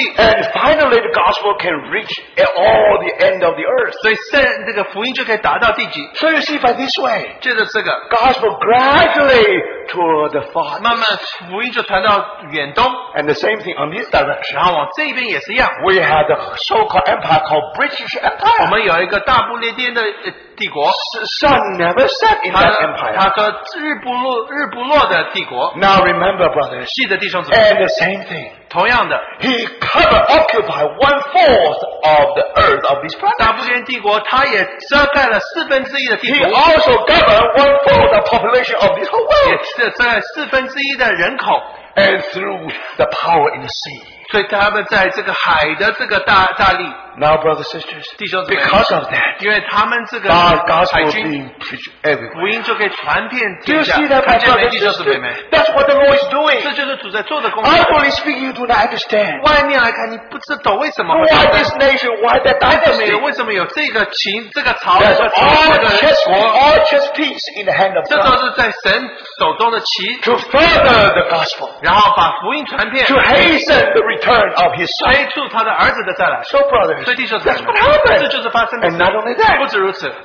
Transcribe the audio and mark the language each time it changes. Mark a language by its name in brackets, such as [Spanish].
[English] and finally the gospel can reach all the end of the earth. [Chinese] 所以圣,这个福音就可以达到地极, [English] so you see by this way, [Chinese] 接着这个, [English] gospel gradually toward the far, [Chinese] 慢慢福音就传到远东, [English] and the same thing on this direction. [Chinese] 然后往这边也是一样, [English] we have the so-called empire called British Empire. [Chinese] 我们有一个大不列颠的, 帝国, [English] sun never set in that empire. [Chinese] 他说日不落的帝国, [English] now remember, brothers, [Chinese] 记得弟兄姊妹, [English] and the same thing. [Chinese] 同样的, [English] he covered, occupied one-fourth of the earth of this planet. [Chinese] 大不列颠帝国, 他也遮盖了四分之一的帝国, [English] he also covered one-fourth of the population of this whole world. [Chinese] 也遮盖了四分之一的人口, [English] and through the power in the sea. [Chinese] 所以他们在这个海的这个大力, [English] now, brothers and sisters, [Chinese] 弟兄姊妹, [English] because of that, [Chinese] 因为他们这个, [English] gospel being preached everywhere. [Chinese] 福音就可以传遍天下, [English] do you see that, [Chinese] 看见没, 弟兄姊妹们, [English] that's what the Lord is doing. [Chinese] 这就是主在做的工作。 [English] Honestly speaking, you do not understand. [Chinese] 外面来看, 你不知道为什么, [English] why this nation? Why that dynasty? [Chinese] 为什么有这个情, 这个朝, [English] all chess piece in the hand of God. [Chinese] 这都是在神手中的棋, [English] to further the gospel. [Chinese] 然后把福音传遍, [English] to hasten the return of his son. [Chinese] 催促他的儿子的再来, [English] so, brothers, that's what happened. And not only that, [Chinese] 不止如此,